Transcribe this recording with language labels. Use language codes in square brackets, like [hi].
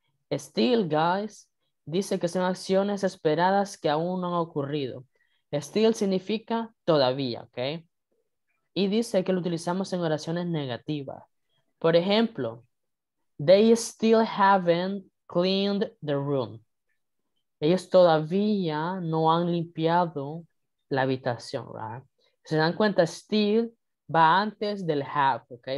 [es] Still, guys, dice que son acciones esperadas que aún no han ocurrido. Still significa todavía, ¿ok? Y dice que lo utilizamos en oraciones negativas. Por ejemplo, [en] they still haven't cleaned the room. [es] Ellos todavía no han limpiado la habitación, ¿right? Se dan cuenta, still va antes del have, ¿ok?